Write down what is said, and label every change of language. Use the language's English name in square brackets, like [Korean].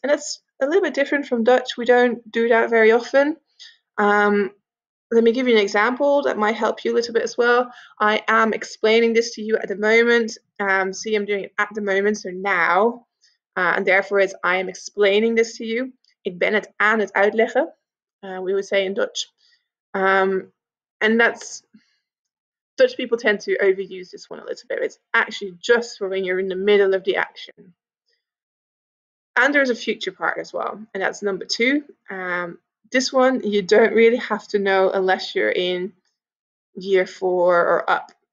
[English] And it's a little bit different from Dutch. We don't do that very often. Let me give you an example that might help you a little bit as well. I am explaining this to you at the moment. See, I'm doing it at the moment, so now. And therefore, it's I am explaining this to you. [Dutch] Ik ben het aan het uitleggen, [English] we would say in Dutch. And that's, Dutch people tend to overuse this one a little bit. It's actually just for when you're in the middle of the action. And there's a future part as well, and that's number two. This one, you don't really have to know unless you're in year four or up.